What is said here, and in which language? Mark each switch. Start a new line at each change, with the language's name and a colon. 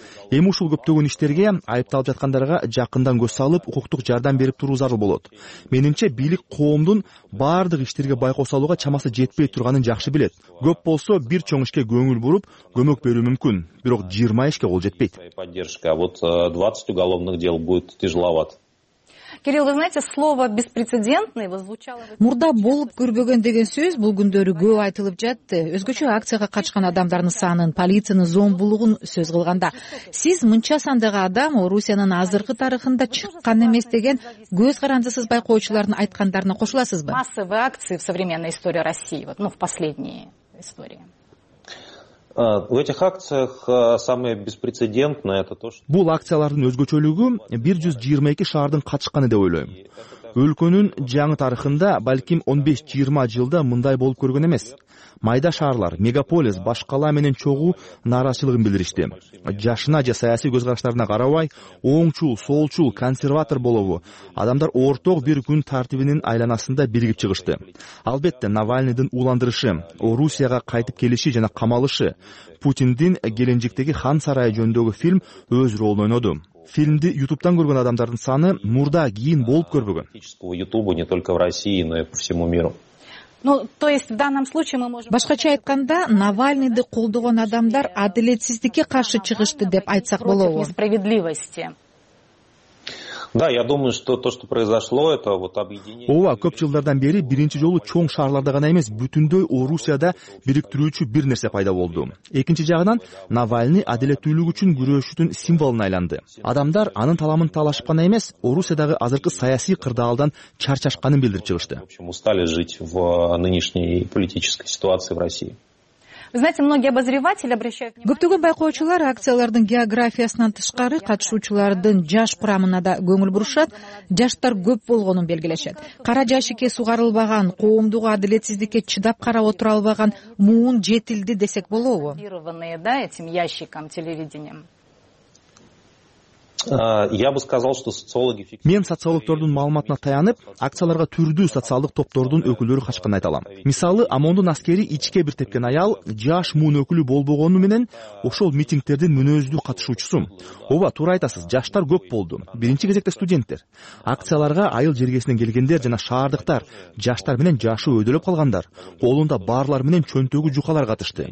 Kyrgyz: Эми ушул көптөгөн иштерге айыпталып жаткандарга жакындан көз салып, укуктук жардам берип туруу зарыл болот. Менимче, бийлик коомдун баардык иштерге байкоо салууга чамасы жетпей турганын жакшы билет. Көп болсо бир чоң ишке көңүл буруп, көмөк берүү мүмкүн, бирок 20 ишке кол жетпейт.
Russian: Поддержка, вот 20 уголовных дел будет тяжеловато. Кирилл, вы знаете, слово беспрецедентный воззвучало...
Kyrgyz: Мурда болуп көрбөгөн деген сөз бул күндөрү көп айтылып жатты. Өзгөчө акцияга катышкан адамдардын санын, полициянын зомбулугун сөз кылганда. Сиз мынча сандагы адам Орусиянын азыркы тарыхында чыккан эмес деген көз карандысыз байкоочулардын айткандарына кошуласызбы?
Russian: Массовые акции в современной истории России, вот, ну, в последние истории. В этих акциях самое беспрецедентное это то, что
Kyrgyz: бул акциялардын өзгөчөлүгү 122 шаардын катышканы деп ойлойм. Өлкөнүн жаңы тарыхында балким 15-20 жылда мындай болуп көргөн эмес. Майда шаарлар, мегаполис, башкала менен чогуу нааразычылыгын билдиришти. Жашына же саясий көз караштарына карабай, оңчул, солчул, консерватор болобу, адамдар орток бир күн тартибинин айланасында биригип чыгышты. Албетте, Навальныйдын уландырышы, Орусияга кайтып келиши жана камалышы, Путиндин Геленджиктеги хан сарайы жөнүндөгү фильм өз ролун ойноду. Фильмди YouTube'дан көргөн адамдардын саны мурда кийин болуп көрбөгөн.
Russian: YouTube не только в России, но и по всему миру. Ну, то есть в данном случае мы можем.
Kyrgyz: Башкача айтканда, Навальныйды колдогон адамдар адилетсиздикке каршы чыгышты деп айтсак болобу?
Russian: Несправедливости. Да, я думаю, что то, что произошло, это вот объединение.
Kyrgyz: Ооба, көп жылдардан бери биринчи жолу чоң шаарларда гана эмес, бүтүндөй Орусияда бириктирүүчү бир нерсе пайда болду. Экинчи жагынан, Навальный адилеттүүлүк үчүн күрөшүүнүн символуна айланды. Адамдар анын таламын талашып гана эмес, Орусиядагы азыркы саясий кырдаалдан чарчашканын билдирип чыгышты.
Russian: В общем, устали жить в нынешней политической ситуации в России. Вы знаете, многие обозреватели обращают внимание.
Kyrgyz: Көптөгөн байкоочулар акциялардын географиясынан тышкары катышуучулардын жаш курамына да көңүл бурушат, жаштар көп болгонун белгилешет. Кара жашыкке сугарылбаган, коомдук адилетсиздикке чыдап карап отура албаган муун жетилди десек болобу?
Russian: Да, этим ящиком телевидением. Я бы сказал, что социологи.
Kyrgyz: Мен социологтордун маалыматына таянып, акцияларга түрдүү социалдык топтордун өкүлдөрү катышканын айта алам. Мисалы, ОМОНдун аскери ичке бир тепкен аял жаш муун өкүлү болбогону менен ошол митингтердин мүнөздүү катышуучусу. Ооба, туура айтасыз, жаштар көп болду. Биринчи кезекте студенттер. Акцияларга айыл жергесинен келгендер жана шаардыктар, жаштар менен жашы өйдөлөп калгандар, колунда барлар менен чөнтөгү жукалар катышты.